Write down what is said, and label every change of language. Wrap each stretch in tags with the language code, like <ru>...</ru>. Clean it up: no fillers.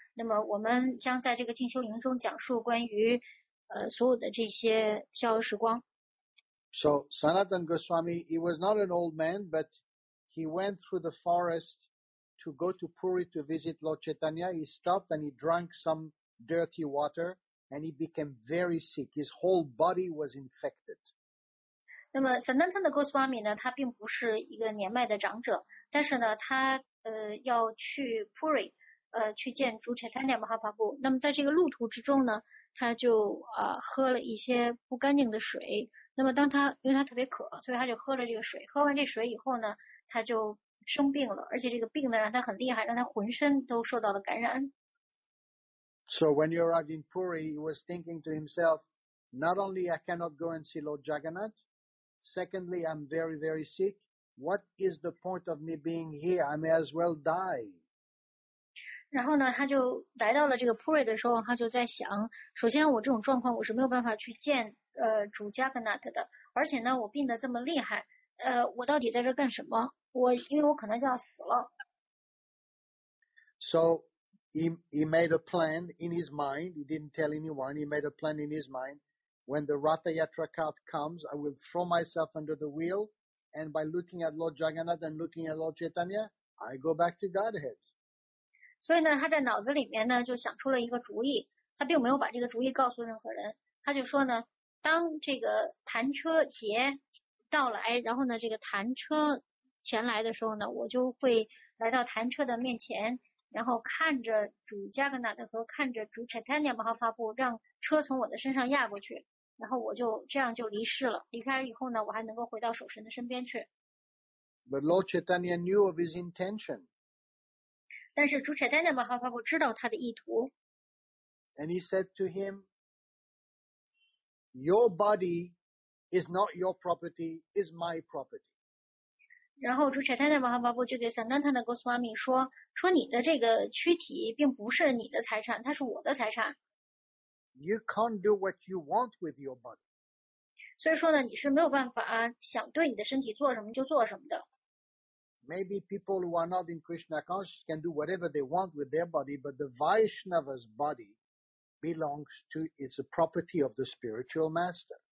<zh>那么我们将在这个进修营中讲述关于所有的这些逍遥时光。</zh> <en>So Sanatan Goswami, he was not an old man, but he went through the forest to go to Puri to visit Lord Chaitanya. He stopped and he drank some dirty water, and he became very sick. His whole body was infected.</en> <zh>那么 Sanatan Goswami 呢，他并不是一个年迈的长者，但是呢他要去 Puri 去见主 Chaitanya Mahaprabhu。那么在这个路途之中呢，他就喝了一些不干净的水。那么当他因为他特别渴，所以他就喝了这个水，喝完这水以后呢，他就生病了，而且这个病呢让他很厉害，让他浑身都受到了感染。</zh> <en>So when you arrived in Puri, he was thinking to himself, not only I cannot go and see Lord JagannathSecondly, I'm very, very sick. What is the point of me being here? I may as well die.</en> <zh>然后呢，他就来到了这个 Puri 的时候，他就在想，首先我这种状况，我是没有办法去见主 Jagannath 的，而且呢，我病得这么厉害，我到底在这干什么？因为我可能就要死了。</zh> <en>So he made a plan in his mind. He didn't tell anyone. He made a plan in his mind. When the Ratha Yatra cart comes, I will throw myself under the wheel, and by looking at Lord Jagannath and looking at Lord Chaitanya, I go back to Godhead.</en> <zh>所以呢，他在脑子里面呢就想出了一个主意。他并没有把这个主意告诉任何人。他就说呢，当这个弹车节到来，然后呢这个弹车前来的时候呢，我就会来到弹车的面前。然后看着主加格纳特和看着主 Chaitanya Mahaprabhu 让车从我的身上压过去，然后我就这样就离世了。离开以后呢，我还能够回到守神的身边去。</zh> <en>But Lord Chaitanya knew of his intention.</en> <zh>但是主 Chaitanya Mahaprabhu 知道他的意图。</zh> <en>And he said to him, Your body is not your property, is my property.</en> <zh>然后主柴坦的马哈巴布就对桑丹坦的 Goswami 说说你的这个躯体并不是你的财产它是我的财产。</zh> <en>You can't do what you want with your body.</en> <zh>所以说呢你是没有办法想对你的身体做什么就做什么的。</zh> <en>Maybe people who are not in Krishna consciousness can do whatever they want with their body, but the Vaishnava's body belongs to, is a property of the spiritual master.</en>